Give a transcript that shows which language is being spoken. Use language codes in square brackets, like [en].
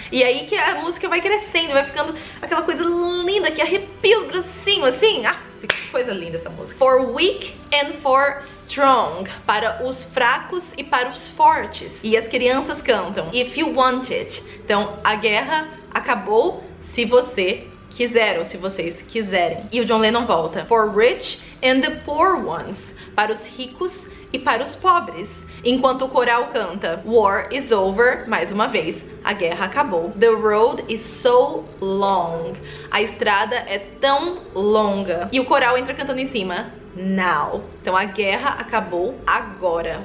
[pt] E aí que a música vai crescendo, vai ficando aquela coisa linda que arrepia os bracinhos, assim. Ah, que coisa linda essa música. [en] For weak and for strong. [pt] Para os fracos e para os fortes. E as crianças cantam. [en] If you want it. [pt] Então, a guerra acabou se você quiser, ou se vocês quiserem. E o John Lennon volta. [en] For rich and the poor ones. [pt] Para os ricos e para os pobres. Enquanto o coral canta [en] War is over, [pt] mais uma vez, a guerra acabou. [en] The road is so long. [pt] A estrada é tão longa. E o coral entra cantando em cima Now. Então a guerra acabou agora.